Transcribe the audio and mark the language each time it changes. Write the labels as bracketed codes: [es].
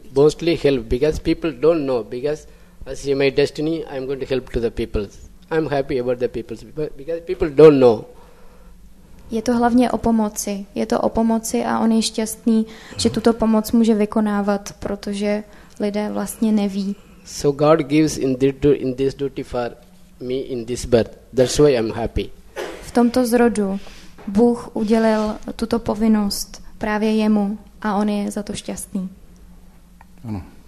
[en] Mostly help, because people don't know. Because as my destiny, I'm going to help to the people. I'm happy about the people, because people don't know. [cs] Je to hlavně o pomoci. Je to o pomoci a on je šťastný, že tuto pomoc může vykonávat, protože lidé vlastně neví. [en] So God gives in this duty for me in this birth. That's why I'm happy. [cs] V tomto zrodu Bůh udělil tuto povinnost právě jemu. A on je za to šťastný. Ano.